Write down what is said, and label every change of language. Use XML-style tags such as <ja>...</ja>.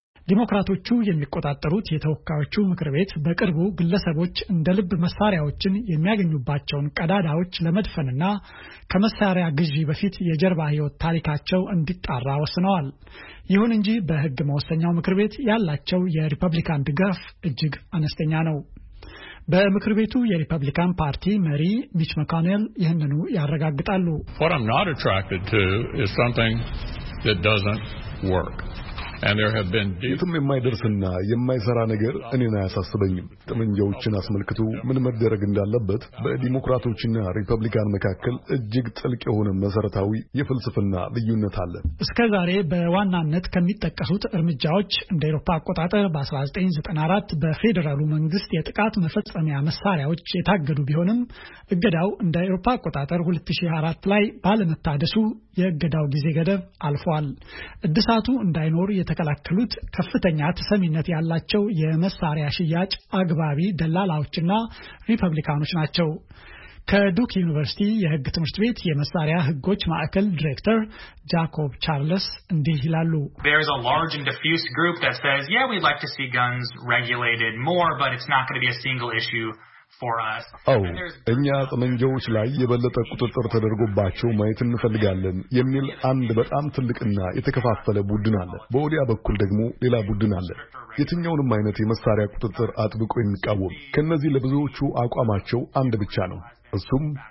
<am>ዲሞክራቶቹ የሚቆጣጠሩት የተወካዮቹ ምክር ቤት በቅርቡ ግለሰቦች እንደ ልብ መሳሪያዎችን የሚያገኙባቸውን ቀዳዳዎች ለመድፈንና ከመሳሪያ ግዢ በፊት የጀርባ ህይወት ታሪካቸው እንዲጣራ ወስነዋል። ይሁን እንጂ በህግ መወሰኛው ምክር ቤት ያላቸው የሪፐብሊካን ድጋፍ እጅግ አነስተኛ ነው። በምክር ቤቱ የሪፐብሊካን ፓርቲ መሪ ሚች መካኔል ይህንኑ ያረጋግጣሉ።</am> <en>What I'm not attracted to is something that doesn't work. And there have been</en> <am>ይትም የማይደርስና የማይሰራ ነገር እኔን አያሳስበኝም። ጠመንጃዎችን አስመልክቶ ምን መደረግ እንዳለበት በዲሞክራቶችና ሪፐብሊካን መካከል እጅግ ጥልቅ የሆነ መሰረታዊ የፍልስፍና ልዩነት አለ። እስከዛሬ በዋናነት ከሚጠቀሱት እርምጃዎች እንደ አውሮፓ አቆጣጠር በ1994 በፌደራሉ መንግስት የጥቃት መፈጸሚያ መሳሪያዎች የታገዱ ቢሆንም እገዳው እንደ አውሮፓ አቆጣጠር 2004 ላይ ባለመታደሱ የእገዳው ጊዜ ገደብ አልፏል። እድሳቱ እንዳይኖር የተከላከሉት ከፍተኛ ተሰሚነት ያላቸው የመሳሪያ ሽያጭ አግባቢ ደላላዎችና ሪፐብሊካኖች ናቸው። ከዱክ ዩኒቨርሲቲ የህግ ትምህርት ቤት የመሳሪያ ህጎች ማዕከል ዳይሬክተር ጃኮብ ቻርልስ እንዲህ ይላሉ።</am> <en>There's a large and diffuse group that says, "Yeah, we'd like to see guns regulated more, but it's not going to be a single issue."</en> <am>አው እኛ ጠመንጃዎች ላይ የበለጠ ቁጥጥር ተደርጎባቸው ማየት እንፈልጋለን የሚል አንድ በጣም ትልቅና የተከፋፈለ ቡድን አለ። በኦዲያ በኩል ደግሞ ሌላ ቡድን አለ የትኛውንም አይነት የመሳሪያ ቁጥጥር አጥብቆ የሚቃወም። ከነዚህ ለብዙዎቹ አቋማቸው አንድ ብቻ ነው። እሱም</am>